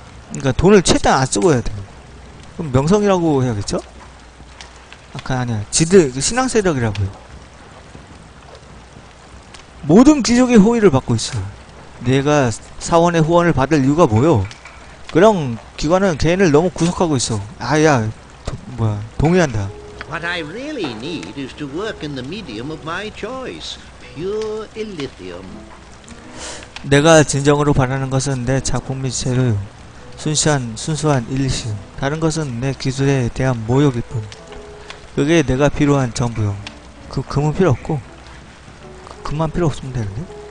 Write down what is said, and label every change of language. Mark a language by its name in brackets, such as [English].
[Korean] 그러니까 돈을 최대한 안 쓰고 해야 돼. 그럼 명성이라고 해야겠죠? 아까 아니야. 지들, 신앙 세력이라고요. 모든 귀족의 호의를 받고 있어. 내가 사원의 후원을 받을 이유가 뭐요? 그런 기관은 개인을 너무 구속하고 있어. 아, 야. 뭐야. 동의한다. [English] What I really need is to work in the medium of my choice. Pure illithium. [Korean] 내가 진정으로 바라는 것은 내 작품 및 재료요. 순수한 일리슘. 다른 것은 내 기술에 대한 모욕일 뿐. 그게 내가 필요한 전부요. 그 금은 필요 없고. 금만 필요 없으면 되는데.